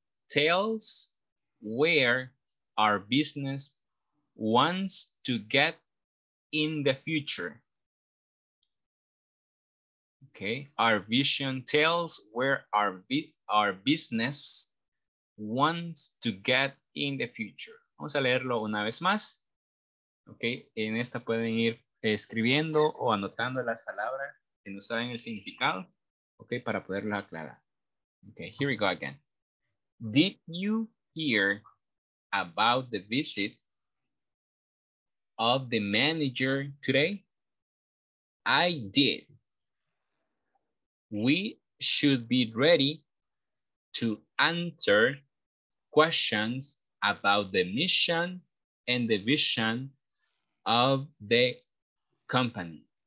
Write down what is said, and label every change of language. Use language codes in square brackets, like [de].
[en] tells where our business wants to get in the future. Okay, our vision tells where our business wants to get in the future. [es] Vamos a leerlo una vez más. Okay, en esta pueden ir escribiendo o anotando las palabras que no saben el significado. [en] Okay, [es] para poderlo aclarar. [en] Okay, here we go again. Did you hear about the visit of the manager today? I did. We should be ready to answer questions about the mission and the vision of the company.